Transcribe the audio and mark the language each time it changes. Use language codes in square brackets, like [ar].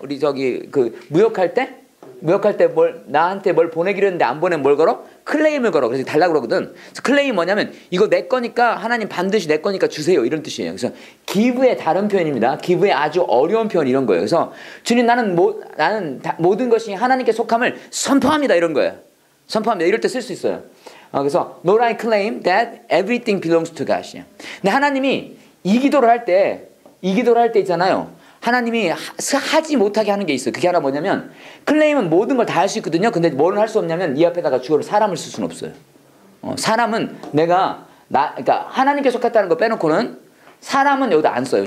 [ko] 우리 저기 그 무역할 때 뭘 나한테 뭘 보내기로 했는데 안 보내면 뭘 걸어? 클레임을 걸어. 그래서 달라고 그러거든. 그래서 클레임이 뭐냐면 이거 내 거니까 하나님 반드시 내 거니까 주세요. 이런 뜻이에요. 그래서 기브의 다른 표현입니다. 기브의 아주 어려운 표현 이런 거예요. 그래서 주님 나는 모든 것이 하나님께 속함을 선포합니다. 이런 거예요. 선포합니다. 이럴 때 쓸 수 있어요. [en] 그래서 Lord I claim that everything belongs to God. [ko] 근데 하나님이 이 기도를 할 때 있잖아요. 하나님이 하지 못하게 하는 게 있어요. 그게 하나 뭐냐면 클레임은 모든 걸 다 할 수 있거든요. 근데 뭘 할 수 없냐면 이 앞에다가 주어를 사람을 쓸 수는 없어요. 사람은 내가 그러니까 하나님께 속했다는 거 빼놓고는 사람은 여기다 안 써요.